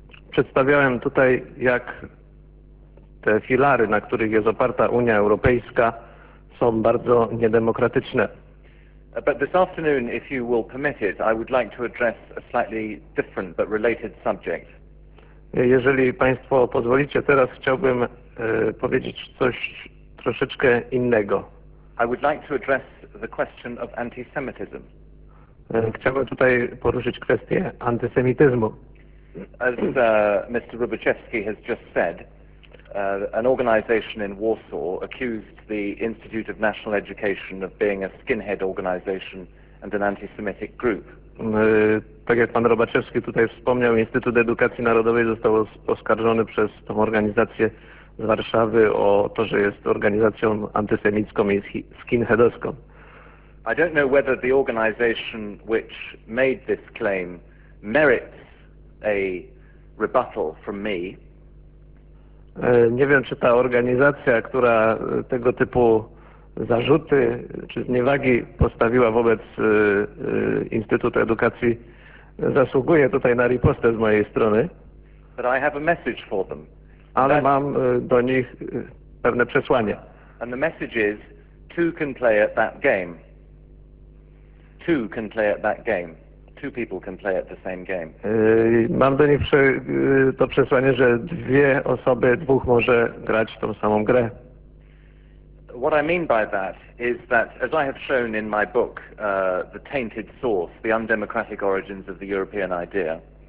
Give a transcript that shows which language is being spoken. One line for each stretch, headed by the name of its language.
Polish: Przedstawiałem tutaj, jak te filary, na których jest oparta Unia Europejska, są bardzo niedemokratyczne.
English: But this afternoon, if you will permit it, I would like to address a slightly different but related subject.
Polish: Jeżeli państwo pozwolicie, teraz chciałbym powiedzieć coś troszeczkę innego.
English: I would like to address the question of antisemitism.
Polish: Chciałbym tutaj poruszyć kwestię antysemityzmu.
English: As Mr. Rubiczewski has just said, an organization in Warsaw accused the Institute of National Education of being a skinhead organization and an anti-Semitic group.
Polish: Tak jak pan Robaczewski tutaj wspomniał, Instytut Edukacji Narodowej został oskarżony przez tą organizację z Warszawy o to, że jest organizacją antysemicką i skinheadowską.
English: I don't know whether the organization which made this claim merits a rebuttal from me.
Polish: Nie wiem, czy ta organizacja, która tego typu zarzuty czy zniewagi postawiła wobec Instytutu Edukacji, zasługuje tutaj na ripostę z mojej strony.
English: But I have a message for them.
Polish: Ale mam do nich pewne przesłanie.
English: And the message is, two can play at that game. Two can play at that game. Two people can play at the same game.
Polish: Mam do nich to przesłanie, że dwie osoby, dwóch może grać tą samą grę.
English: What I mean by that is that, as I have shown in my book, The Tainted Source, The Undemocratic Origins of the European Idea.